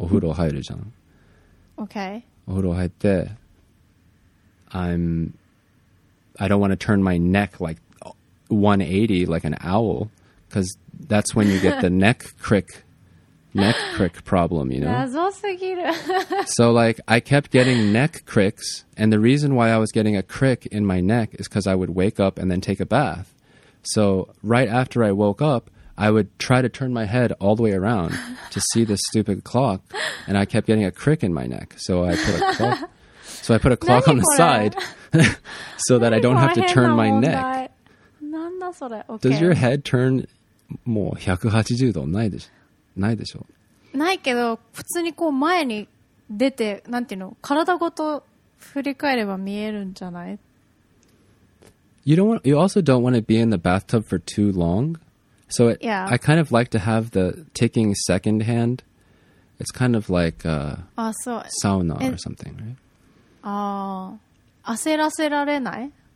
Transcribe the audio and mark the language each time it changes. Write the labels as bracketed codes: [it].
[ja] お風呂入るじゃん。お風呂入って [en] I don't want to turn my neck like 180 like an owl, because that's when you get the neck crick problem, you know? So like I kept getting neck cricks, and the reason why I was getting a crick in my neck is because I would wake up and then take a bath. So right after I woke up, I would try to turn my head all the way around to see this stupid clock, and I kept getting a crick in my neck. So I put a clock, on the side so that I don't have to turn my neck. Okay. Does your head turn more 180 [ja] 度ないでしょ、ないでしょ。ないけど、普通にこう前に出て、なんていうの、体ごと振り返れば見えるんじゃない [en] you also don't want to be in the bathtub for too long. So it, yeah. I kind of like to have the ticking second hand. It's kind of like sauna or something, right? [ja] ああ、焦らせられない？